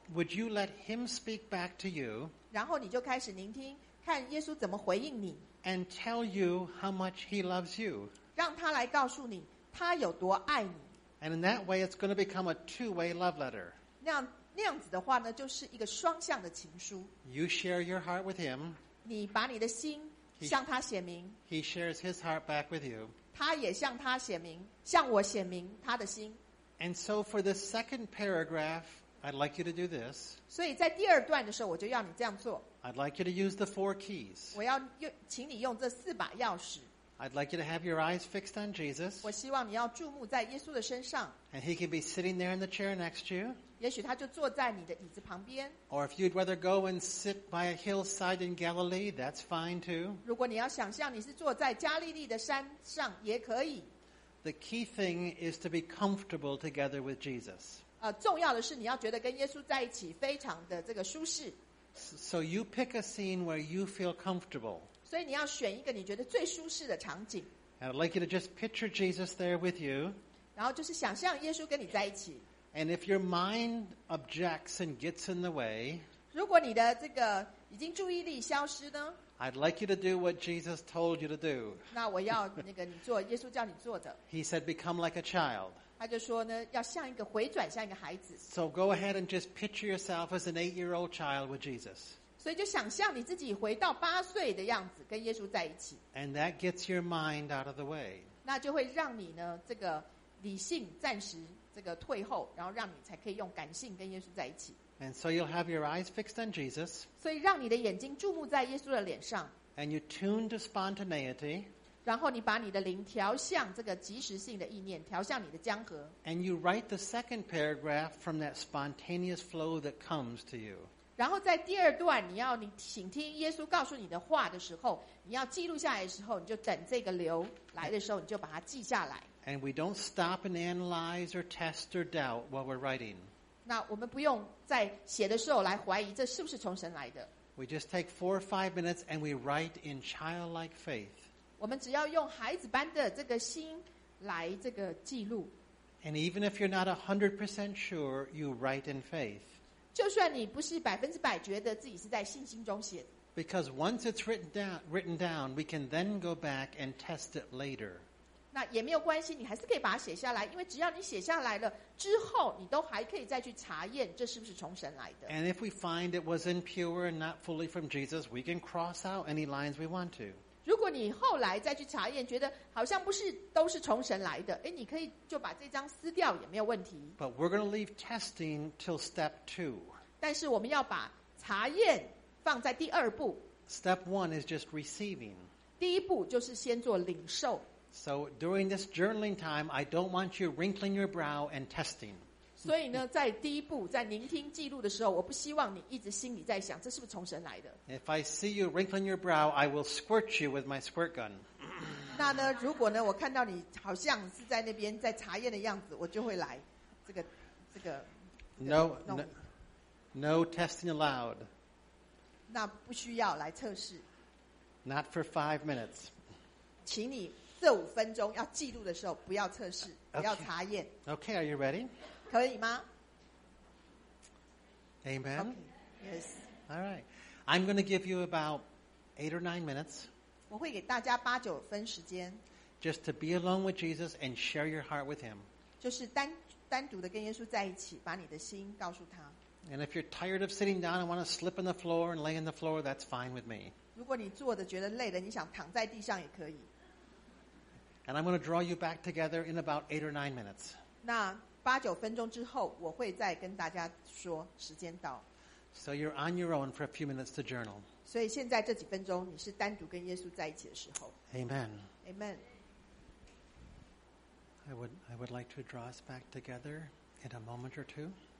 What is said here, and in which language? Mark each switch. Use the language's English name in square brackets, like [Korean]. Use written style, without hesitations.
[English] would you let him speak back to you? [Chinese] 然后你就开始聆听，看耶稣怎么回应你。 [English] And tell you how much he loves you. [Chinese] 让他来告诉你，他有多爱你。 [English] And in that way, it's going to become a two-way love letter. [Chinese] 那样子的话呢，就是一个双向的情书。 [English] You share your heart with him. [Chinese] 你把你的心向他写明。 [English] He shares his heart back with you. [Chinese] 他也向他写明，向我写明他的心。 [English] And so for the second paragraph, I'd like you to do this. [Chinese] 所以在第二段的时候，我就要你这样做。 [English] I'd like you to use the four keys. [Chinese] 我要请你用这四把钥匙。 [English] I'd like you to have your eyes fixed on Jesus. [Chinese] 我希望你要注目在耶稣的身上。 [English] And he can be sitting there in the chair next to you. [Chinese] 也许他就坐在你的椅子旁边。 [English] Or if you'd rather go and sit by a hillside in Galilee, that's fine too. [Chinese] 如果你要想象你是坐在加利利的山上，也可以。 [English] The key thing is to be comfortable together with Jesus. [Chinese] 重要的是你要觉得跟耶稣在一起非常的这个舒适。 [English] So you pick a scene where you feel comfortable. [Chinese] 所以你要选一个你觉得最舒适的场景。 [English] And I'd like you to just picture Jesus there with you. [Chinese] 然后就是想象耶稣跟你在一起。 [English] And if your mind objects and gets in the way, [Chinese] 如果你的这个已经注意力消失呢？ [English] I'd like you to do what Jesus told you to do. [Chinese] 那我要那个你做耶稣叫你做的。 [English] He said, "Become like a child." [Chinese] 他就说呢，要像一个回转，像一个孩子。 [English] So go ahead and just picture yourself as an eight-year-old child with Jesus. [Chinese] 所以就想象你自己回到八岁的样子跟耶稣在一起。 [English] And that gets your mind out of the way. [Chinese] 那就会让你呢这个理性暂时这个退后，然后让你才可以用感性跟耶稣在一起。 [English] And so you'll have your eyes fixed on Jesus. [Chinese] 所以让你的眼睛注目在耶稣的脸上。 [English] And you tune to spontaneity. [Chinese] 然后你把你的灵调向这个即时性的意念，调向你的江河。 [English] And you write the second paragraph from that spontaneous flow that comes to you. [Chinese] 然后在第二段你要你倾听耶稣告诉你的话的时候，你要记录下来的时候，你就等这个流来的时候，你就把它记下来。 [English] And we don't stop and analyze or test or doubt while we're writing. [Chinese] 那我们不用在写的时候来怀疑这是不是从神来的。 [English] We just take 4 or 5 minutes and we write in childlike faith. [Chinese] 我们只要用孩子般的这个心来这个记录。 [English] And even if you're not 100% sure, you write in faith. [Chinese] 就算你不是百分之百觉得自己是在信心中写的。 [English] Because once it's written down, we can then go back and test it later. [Chinese] 那也没有关系，你还是可以把它写下来，因为只要你写下来了之后，你都还可以再去查验这是不是从神来的。 [English] And if we find it was impure and not fully from Jesus, we can cross out any lines we want to. [Chinese] 如果你后来再去查验，觉得好像不是都是从神来的，你可以就把这张撕掉也没有问题。 [English] But we're going to leave testing till step two. [Chinese] 但是我们要把查验放在第二步。 [English] Step one is just receiving. [Chinese] 第一步就是先做领受。 [English] So during this journaling time, I don't want you wrinkling your brow and testing. [Chinese] 所以呢，在第一步在聆听记录的时候，我不希望你一直心里在想这是不是从神来的。 [English] If I see you wrinkling your brow, I will squirt you with my squirt gun. [Chinese] 那呢，如果呢，我看到你好像是在那边在查验的样子，我就会来这个 [English] No testing allowed. [Chinese] 那不需要来测试。 [English] Not for 5 minutes. [Chinese] 请你这五分钟要记录的时候不要测试，不要查验。 [English] Okay, are you ready? [Chinese] 可以吗？ [English] Amen. Okay. Yes. All right. I'm going to give you about 8 or 9 minutes. [Chinese] 我会给大家八九分时间。 [English] Just to be alone with Jesus and share your heart with him. [Chinese] 就是单独的跟耶稣在一起，把你的心告诉他。 [English] And if you're tired of sitting down and want to slip on the floor and lay on the floor, that's fine with me. [Chinese] 如果你坐着觉得累了，你想躺在地上也可以。 [English] And I'm going to draw you back together in about 8 or 9 minutes. [Chinese] 那八九分钟之后，我会再跟大家说时间到。 [English] So you're on your own for a few minutes to journal. [Chinese] 所以现在这几分钟，你是单独跟耶稣在一起的时候。 [English] Amen. Amen. I would like to draw us back together in a moment or two.